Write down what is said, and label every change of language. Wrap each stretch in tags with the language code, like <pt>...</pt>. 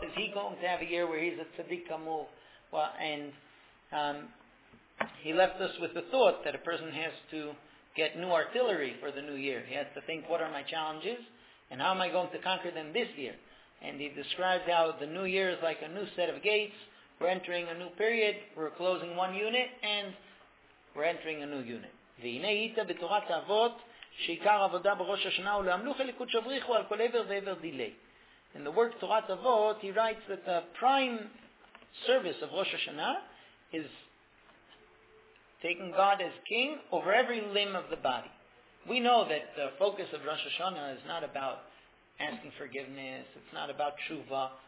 <en>Is he going to have a year where he's a tzaddik gamur? Well, and he left us with the thought that a person has to get new artillery for the new year. He has to think, what are my challenges, and how am I going to conquer them this year? And he describes how the new year is like a new set of gates. We're entering a new period, we're closing one unit, and we're entering a new unit.</en> <he>והנה היית בתורת אבות, שעיקר עבודה בראש השנה הוא להמלוך אל ליקוד שבריחו על כל עבר ועבר דילי.</he> <en>In the work תורת אבות, he writes that the prime service of Rosh Hashanah is taking God as king over every limb of the body. We know that the focus of Rosh Hashanah is not about asking forgiveness, it's not about tshuva.</en>